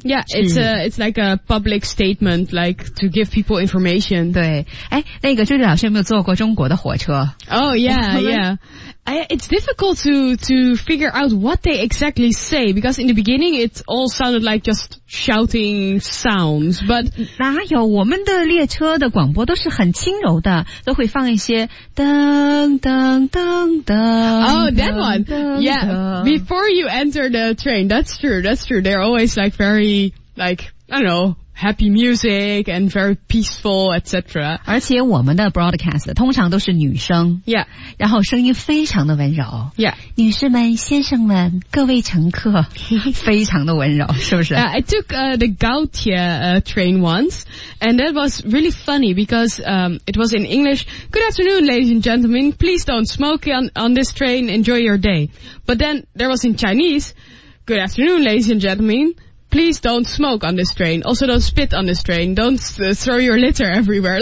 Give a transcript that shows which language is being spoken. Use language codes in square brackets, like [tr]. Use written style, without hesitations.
[en] Yeah, it's like a public statement, like to give people information. [zh] 对，哎，那个周丽老师有没有坐过中国的火车 [en] ？Oh yeah, yeah. It's difficult to figure out what they exactly say because in the beginning it all sounded like just shouting sounds. But [zh] 哪有我们的列车的广播都是很轻柔的，都会放一些噔噔噔噔。 [en] Oh, that one. Yeah. Before you enter the train, that's true. That's true. They're always like very like I don't know. Happy music and very peaceful, etc. [zh] 而且我们的 broadcast 通常都是女生 [en] ，Yeah， [zh] 然后声音非常的温柔 [en] ，Yeah， [zh] 女士们、先生们、各位乘客，非常的温柔，是不是 [en] ？I took the Gautier train once, and that was really funny because it was in English. Good afternoon, ladies and gentlemen. Please don't smoke on this train. Enjoy your day. But then there was in Chinese. Good afternoon, ladies and gentlemen. Please don't smoke on this train. Also, don't spit on this train. Don't throw your litter everywhere.